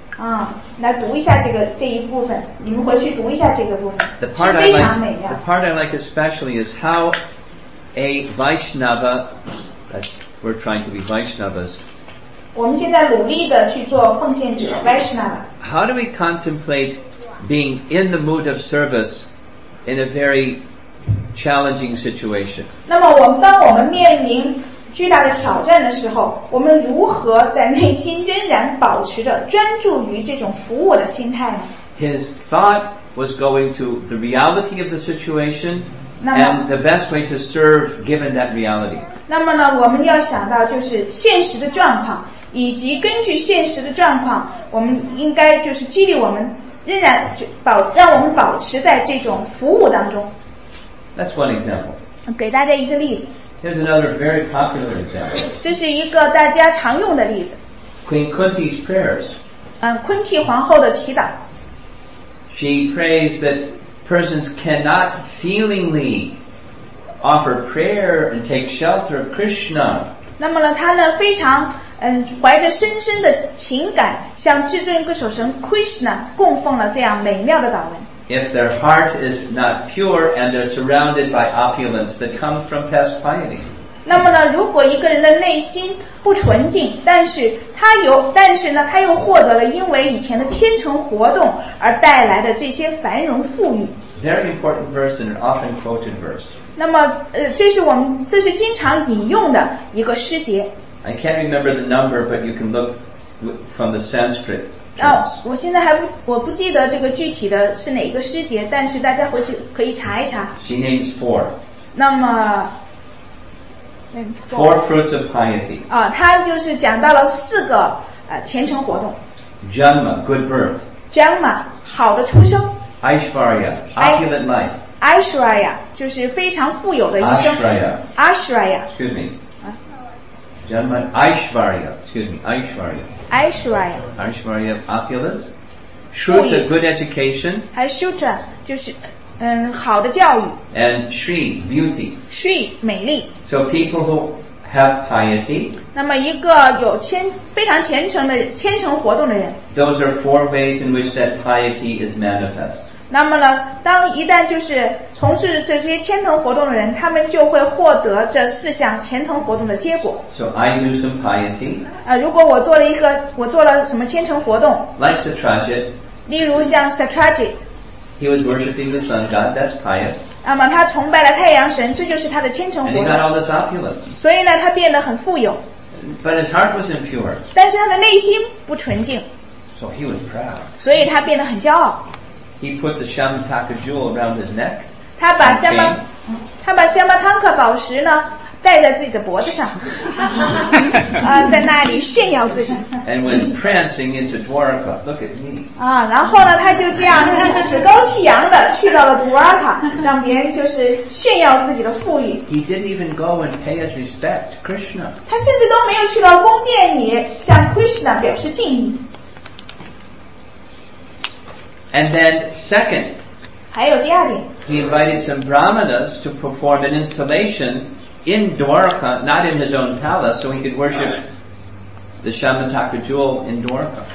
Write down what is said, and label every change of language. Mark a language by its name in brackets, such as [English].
[Chinese] 啊，来读一下这一部分，你们回去读一下这个部分，是非常美的。 [English] The part I like especially is how a Vaishnava. We're trying to be Vaishnavas. [Chinese] 我们现在努力的去做奉献者 Vaishnava. [English] How do we contemplate being in the mood of service in a very challenging situation? [Chinese] 那么我们当我们面临巨大的挑战的时候，我们如何在内心仍然保持着专注于这种服务的心态呢？ [English] His thought was going to the reality of the situation. And the best way to serve given that reality. [Chinese] 那么呢，我们要想到就是现实的状况，以及根据现实的状况，我们应该就是激励我们仍然让我们保持在这种服务当中。 [English] That's one example. [Chinese] 给大家一个例子。 [English] Here's another very popular example. [Chinese] 这是一个大家常用的例子。 [English] Queen Kunti's prayers. [Chinese] 昆蒂皇后的祈祷。 [English] She prays that. Persons cannot feelingly offer prayer and take shelter of Krishna. [Chinese] 那么呢他呢非常怀着深深的情感向至尊歌手神 Krishna 供奉了这样美妙的祷文。 [English] If their heart is not pure and they're surrounded by opulence that come from past piety. [Chinese] 那么呢如果一个人的内心不纯净但是呢他又获得了因为以前的虔诚活动而带来的这些繁荣富裕。 [English] Very important verse and an often quoted verse. [Chinese] 那么这是经常引用的一个诗节。 [English] I can't remember the number, but you can look from the Sanskrit. [Chinese] 我现在还我不记得这个具体的是哪个诗节，但是大家回去可以查一查。 [English] She names four. [Chinese] 那么 [English] four fruits of piety. [Chinese] 他就是讲到了四个虔诚活动。 [English] Janma, good birth. [Chinese] Janma, 好的出生。 [English] Aishvarya, opulent life. [Chinese] Aishvarya 就是非常富有的一生。Aishvarya. [English] Excuse me. Gentlemen, Aishvarya, excuse me, Aishvarya. Aishvarya. Aishvarya of opulence. Shruta, good education. [Chinese] Shruta, 就是好的教育。 [English] And Shri, beauty. [Chinese] Shri, 美丽。 [English] So people who have piety. [Chinese] 那么一个有非常虔诚的虔诚活动的人。 [English] Those are four ways in which that piety is manifest. [Chinese] 那么呢当一旦就是从事这些虔诚活动的人他们就会获得这四项虔诚活动的结果 [English] So I do some piety [Chinese] 如果我做了一个我做了什么虔诚活动 [English] Like Satrajit [Chinese] 例如像 Satrajit [English] He was worshipping the sun god That's pious [Chinese] 那么他崇拜了太阳神这就是他的虔诚活动 [English] And he got all this opulence [Chinese] 所以呢他变得很富有 [English] But his heart was impure [Chinese] 但是他的内心不纯净 [English] So he was proud [Chinese] 所以他变得很骄傲 [English] He put the Shyamataka jewel around his neck. [Chinese] 他把香巴汤克宝石呢戴在自己的脖子上，在那里炫耀自己。 [English] And went prancing into Dwarka. Look at me. [Chinese] 然后呢，他就这样趾高气扬的去到了 Dwarka， 让别人就是炫耀自己的富裕。 [English] He didn't even go and pay his respect to Krishna. [Chinese] 他甚至都没有去到宫殿里向 Krishna 表示敬意。 [English] And then second, [Chinese] 还有第二点 [English] he invited some brahmanas to perform an installation in Dwarka, not in his own palace, so he could worship the Shyamataka jewel in Dwarka.